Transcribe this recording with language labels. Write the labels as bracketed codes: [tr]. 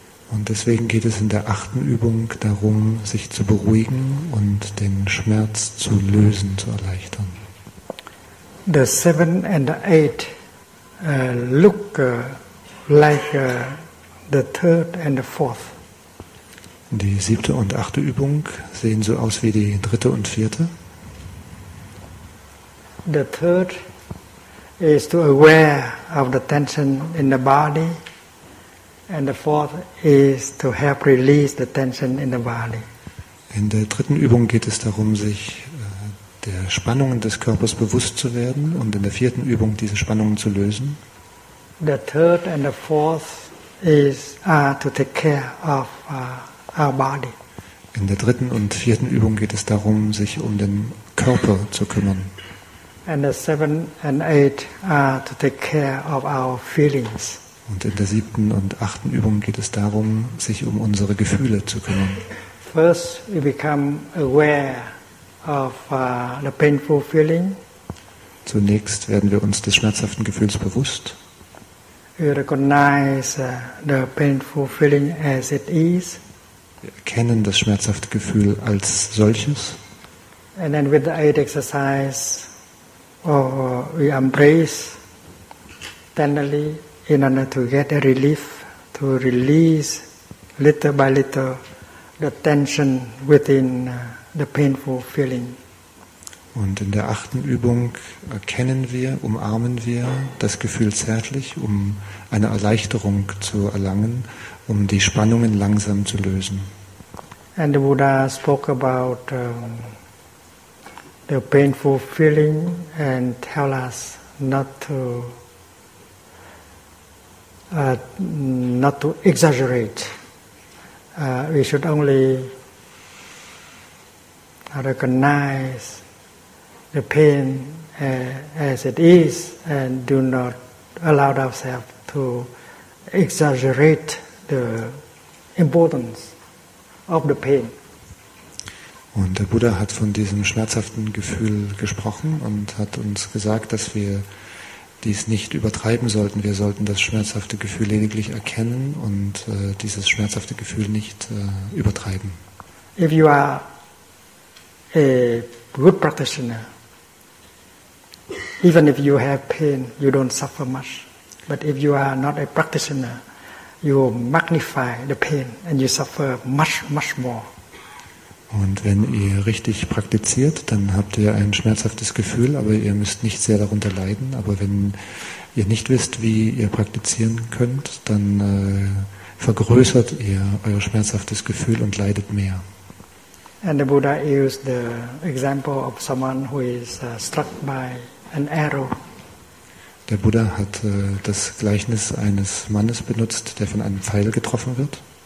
[de] Und deswegen geht es in der achten Übung darum, sich zu beruhigen und den Schmerz zu lösen, zu erleichtern. [en] the 7 and the 8 look like the 3rd and the 4th. [de] Die siebte und achte Übung sehen so aus wie die dritte und vierte. [en] The 3rd is to aware of the tension in the body, and the 4th is to help release the tension in the body. [de] In der dritten Übung geht es darum, sich der Spannungen des Körpers bewusst zu werden und in der vierten Übung diese Spannungen zu lösen. [en] The 3rd and the 4th is to take care of our body. [de] In der dritten und vierten Übung geht es darum, sich um den Körper zu kümmern. [en] And the 7 and 8 are to take care of our feelings. [de] Und in der siebten und achten Übung geht es darum, sich um unsere Gefühle zu kümmern. [en] First, we become aware of the painful feeling. [de] Zunächst werden wir uns des schmerzhaften Gefühls bewusst. [en] We recognize the painful feeling as it is. [de] Wir erkennen das schmerzhafte Gefühl als solches. [en] And then with the 8 exercise, we embrace tenderly in order to get a relief, to release little by little the tension within the painful feeling. [de] Und in der achten Übung erkennen wir, umarmen wir das Gefühl zärtlich, um eine Erleichterung zu erlangen, um die Spannungen langsam zu lösen. [en] And the Buddha spoke about the painful feeling and tell us not to exaggerate. We should only recognize the pain as it is and do not allow ourselves to exaggerate the importance of the pain. [de] Und der Buddha hat von diesem schmerzhaften Gefühl gesprochen und hat uns gesagt, dass wir dies nicht übertreiben sollten. Wir sollten das schmerzhafte Gefühl lediglich erkennen und dieses schmerzhafte Gefühl nicht übertreiben. [en] If you are a good practitioner, even if you have pain, you don't suffer much. But if you are not a practitioner, you magnify the pain and you suffer much, much more. [de] Und wenn ihr richtig praktiziert, dann habt ihr ein schmerzhaftes Gefühl, aber ihr müsst nicht sehr darunter leiden. Aber wenn ihr nicht wisst, wie ihr praktizieren könnt, dann vergrößert ihr euer schmerzhaftes Gefühl und leidet mehr. [en] And the Buddha used the example of someone who is struck by an arrow. [de] Der Buddha hat das Gleichnis eines Mannes benutzt, der von einem Pfeil getroffen wird.